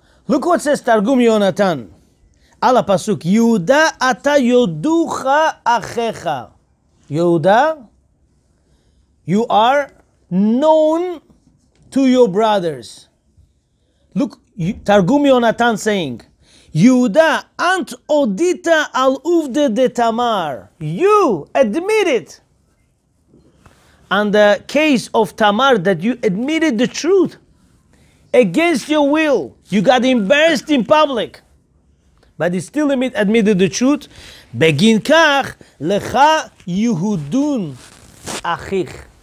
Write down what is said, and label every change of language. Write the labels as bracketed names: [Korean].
[English] Look what says [Hebrew] תרגום יונתן על הפסוק. יהודה אתה יודוך אחיך. [English] יהודה, you are known to your brothers. [Hebrew] Look, תרגום יונתן [English] saying, [Hebrew] יהודה, אנט הודית על עובדה דתמר. [English] You admit it. On the case of Tamar, that you admitted the truth against your will. You got embarrassed in public, but you still admitted the truth. Begin kach lecha Yehudun achich.